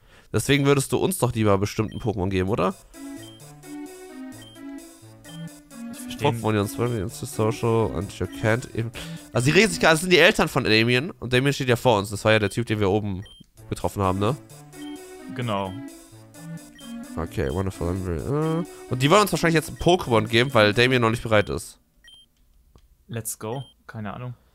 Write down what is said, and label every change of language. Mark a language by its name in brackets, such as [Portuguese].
[German] Deswegen würdest du uns doch lieber bestimmten Pokémon geben, oder? Ich verstehe. [English] Pokémon, you're friendly, it's too social, and you can't even... [German] Also, sie reden sich gerade, das sind die Eltern von Damien. Und Damien steht ja vor uns. Das war ja der Typ, den wir oben getroffen haben, ne? Genau. [English] Okay, wonderful. [German] Und die wollen uns wahrscheinlich jetzt ein Pokémon geben, weil Damien noch nicht bereit ist. [English] Let's go. [German] Keine Ahnung.